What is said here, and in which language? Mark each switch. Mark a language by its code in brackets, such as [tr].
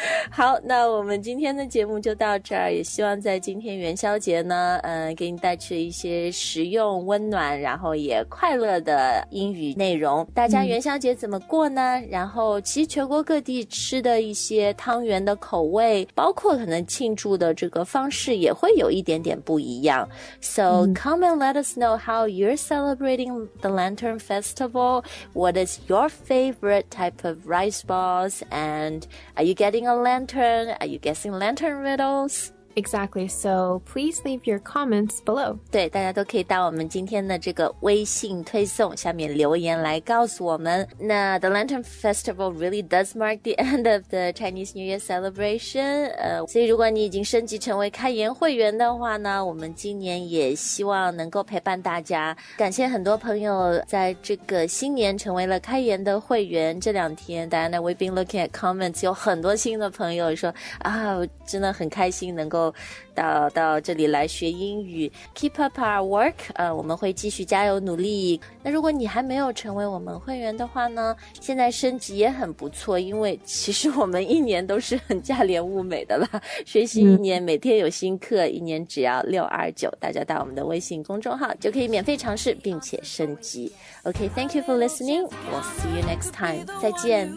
[zh] 好那我们今天的节目就到这儿也希望在今天元宵节呢给你带去一些实用温暖然后也快乐的英语内容。大家元宵节怎么过呢、嗯、然后其实全国各地吃的一些汤圆的口味包括可能庆祝的这个方式也会有一点点不一样。 [en] So、嗯、come and let us know how you're celebrating the Lantern Festival. What is your favorite type of rice balls? And are you getting a lantern? Are you guessing lantern riddles? Exactly. So please leave your comments below. [zh] 对，大家都可以到我们今天的这个微信推送下面留言来告诉我们。 [en] 那 the Lantern Festival really does mark the end of the Chinese New Year celebration. [zh] 所以如果你已经升级成为开言会员的话呢，我们今年也希望能够陪伴大家。感谢很多朋友在这个新年成为了开言的会员。这两天 [en] ，Diana, we've been looking at comments. [zh] 有很多新的朋友说啊，真的很开心能够。到这里来学英语 [en] Keep up our work、 [zh] 我们会继续加油努力那如果你还没有成为我们会员的话呢现在升级也很不错因为其实我们一年都是很价廉物美的了学习一年、嗯、每天有新课一年只要629大家到我们的微信公众号就可以免费尝试并且升级 [en] OK, thank you for listening We'll see you next time [zh] 再见